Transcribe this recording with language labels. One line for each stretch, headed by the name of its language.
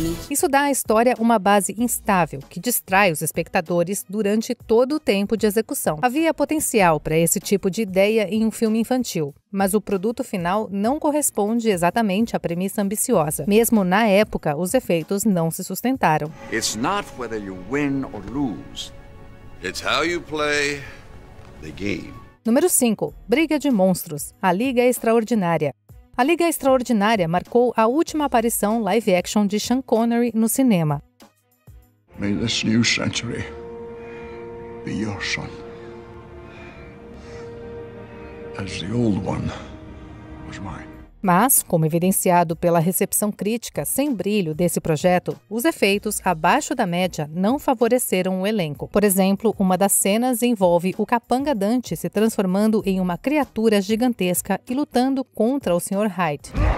Portuguese: Isso dá à história uma base instável, que distrai os espectadores durante todo o tempo de execução. Havia potencial para esse tipo de ideia em um filme infantil, mas o produto final não corresponde exatamente à premissa ambiciosa. Mesmo na época, os efeitos não se sustentaram.
English: It's not whether you win or lose. It's how you play the game.
Portuguese: Número 5. Briga de Monstros. A Liga Extraordinária. A Liga Extraordinária marcou a última aparição live-action de Sean Connery no cinema.
English: May this new century be your son, as the old one was mine.
Portuguese: Mas, como evidenciado pela recepção crítica sem brilho desse projeto, os efeitos abaixo da média não favoreceram o elenco. Por exemplo, uma das cenas envolve o Capanga Dante se transformando em uma criatura gigantesca e lutando contra o Sr. Hyde.